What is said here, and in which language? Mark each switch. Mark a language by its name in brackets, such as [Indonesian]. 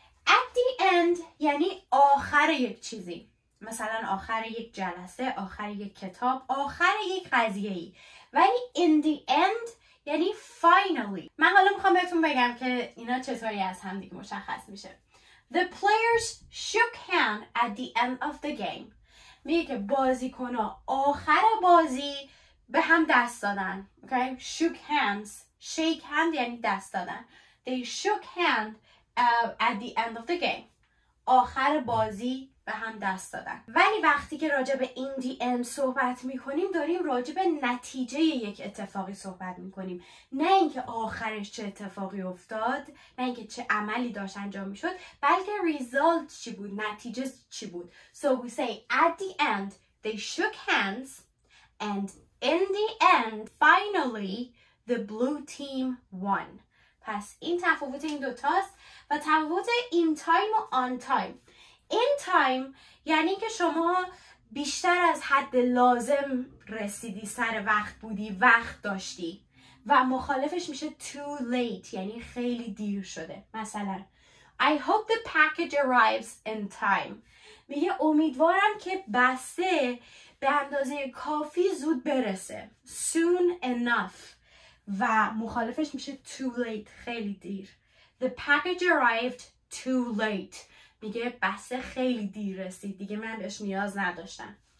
[English] At the end [Persian] یعنی آخر یک چیزی، مثلا آخر یک جلسه، آخر یک کتاب، آخر یک قضیه‌ای. ولی [English] in the end [Persian] یعنی finally. من حالا میخوام بهتون بگم که اینا چطوری از هم دیگه مشخص میشه. [English] The players shook hands at the end of the game. [Persian] میگه که بازیکن‌ها آخر بازی به هم دست دادن. [English] Okay? Shook hands. Shake hand [Persian] یعنی دست دادن. [English] They shook hands at the end of the game. [Persian] آخر بازی به هم دست دادن. ولی وقتی که راجع به این دی ام صحبت میکنیم، داریم راجع به نتیجه یک اتفاقی صحبت میکنیم، نه اینکه آخرش چه اتفاقی افتاد، نه اینکه چه عملی داشت انجام میشد، بلکه ریزالت چی بود، نتیجه چی بود. [English] So we say at the end they shook hands and in the end finally the blue team won. [Persian] پس این تفاوت این دوتاست. و تفاوت این تایم و آن تایم. این تایم یعنی که شما بیشتر از حد لازم رسیدی، سر وقت بودی، وقت داشتی. و مخالفش میشه [English] too late، [Persian] یعنی خیلی دیر شده. مثلا [English] I hope the package arrives in time. [Persian] میگه امیدوارم که بسته به اندازه کافی زود برسه. [English] Soon enough. [Persian] و مخالفش میشه [English] too late، [Persian] خیلی دیر. [English] The package arrived too late. [Persian] میگه بسه خیلی دیر رسید، دیگه من بهش نیاز نداشتم.